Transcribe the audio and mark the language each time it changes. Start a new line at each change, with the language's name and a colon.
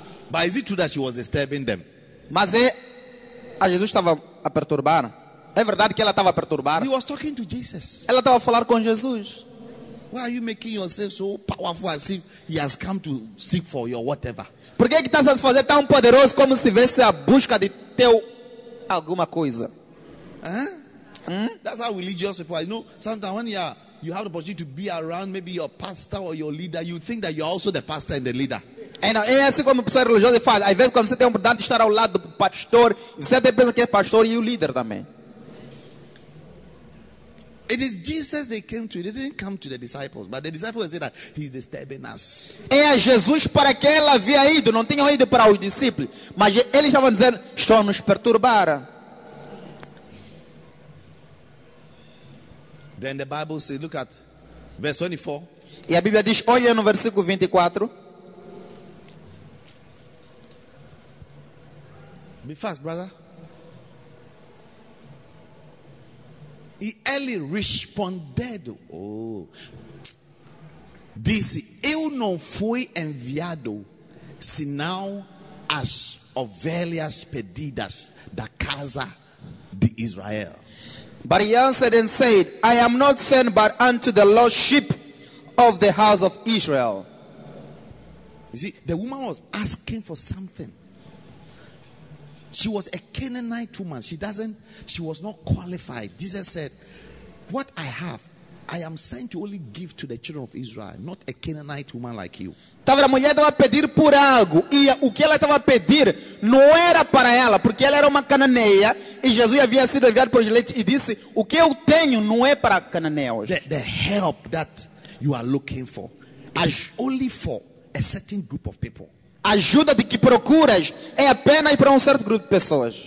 English: But is it true that she was disturbing them?
Portuguese: Mas é a Jesus estava a perturbar. É verdade que ela estava a perturbar.
English: He was talking to Jesus.
Portuguese: Ela estava a falar com Jesus.
English: Why are you making yourself so powerful as if he has come to seek for your whatever?
Portuguese: Por que estás a se fazer tão poderoso como se viesse à busca de teu alguma coisa?
English: That's how religious people are. You know, sometimes when you have the opportunity to be around maybe your pastor or your leader, you think that you're also the pastor and the leader.
Portuguese: É assim como o pessoal religioso faz. Às vezes quando você tem a oportunidade de estar ao lado do pastor, você até pensa que é pastor e o líder também.
English: It is Jesus they came to. They didn't come to the disciples, but the disciples said that he's disturbing us.
Portuguese: É a Jesus para que ela havia ido. Não tinha ido para os discípulos, mas eles estavam dizendo, estão nos perturbar.
English: Then the Bible says, look at verse 24.
Portuguese: E a Bíblia diz, olha no versículo 24.
English: Be fast, brother.
Portuguese: E ele respondeu, disse, eu não fui enviado, senão as ovelhas perdidas da casa de Israel.
English: But he answered and said, I am not sent but unto the lost sheep of the house of Israel. You see, the woman was asking for something. She was a Canaanite woman. She was not qualified. Jesus said, what I have, I am sent to only give to the children of Israel, not a Canaanite woman like you.
Portuguese: A mulher estava a pedir por algo, e o que ela estava a pedir não era para ela, porque ela era uma cananeia, e Jesus havia sido enviado por Jesus, e disse, o que eu tenho não é para cananeus.
English: The help that you are looking for is only for a certain group of people.
Portuguese: A ajuda de que procuras é apenas para certo grupo de pessoas.